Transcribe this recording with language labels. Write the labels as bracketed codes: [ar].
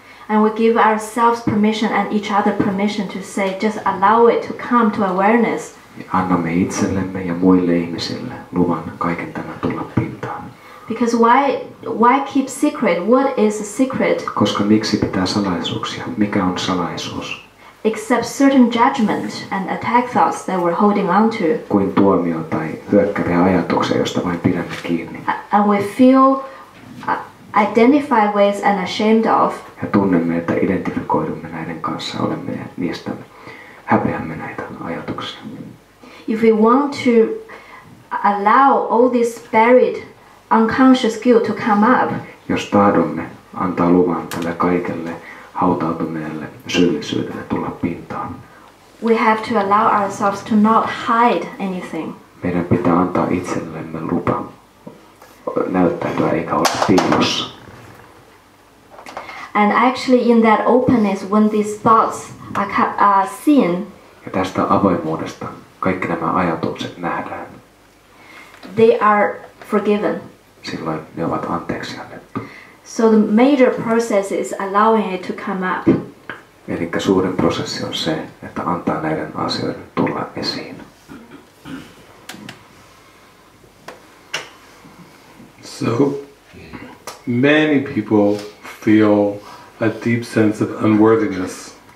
[en] And we give ourselves permission and each other permission to say, just allow it to come to awareness. [fi] Annamme itsellemme ja muille ihmisille luvan kaiken tämän tulla pintaan. [en] Because why keep secret? What is a secret? [fi] Koska miksi pitää salaisuuksia? Mikä on salaisuus? [en] Except certain judgment and attack thoughts that we're holding on to. [fi] Kuin tuomio tai hyökkäviä ajatuksia, josta vain pidämme kiinni. [en] And we feel identified with and ashamed of. [fi] Ja tunnemme, että identifikoidumme näiden kanssa, olemme niistä, häpeämme näitä ajatuksia. [en] If we want to allow all this buried unconscious guilt to come up. [fi] Jos tahdomme antaa luvan tälle kaikelle hautautuneelle syyllisyydelle tulla pintaan. [en] We have to allow ourselves to not hide anything. [fi] Meidän pitää antaa itsellemme lupa näyttäytyä eikä olla piilossa. [en] And actually in that openness when these thoughts are seen. [fi] Ja tästä avoimuudesta kaikki nämä ajatukset nähdään. [en] They are forgiven. [fi] Silloin ne ovat anteeksi annettu. [en] So the major process is allowing it to come up. [fi] Eli suurin prosessi on se, että antaa näiden asioiden tulla esiin. [en] So many people feel a deep sense of unworthiness.